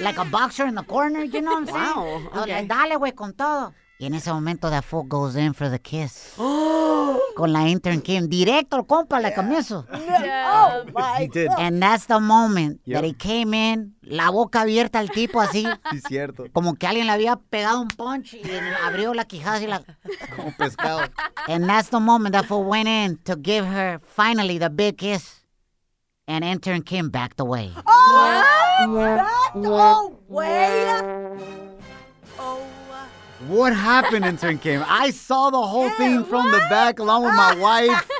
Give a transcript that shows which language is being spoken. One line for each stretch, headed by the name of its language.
English: Like a boxer in the corner, you know what I'm saying? Wow. Okay. I was like,
Spanish: dale, güey, con todo. Y en ese momento,
English: that fool goes in for the kiss.
Spanish: Con la Intern Kim. Directo al compa,
English: like a missile. Yeah. Oh, my he did. And that's the moment that he came in.
Spanish: La boca abierta al tipo así. Sí, cierto. Como que alguien le había pegado un punch y abrió la quijada así. La... Como pescado.
English: And that's the moment that fool went in to give her, finally, the big kiss. And Intern Kim backed away. Oh, what happened, Intern Kim? I saw the whole thing from the back along with my wife.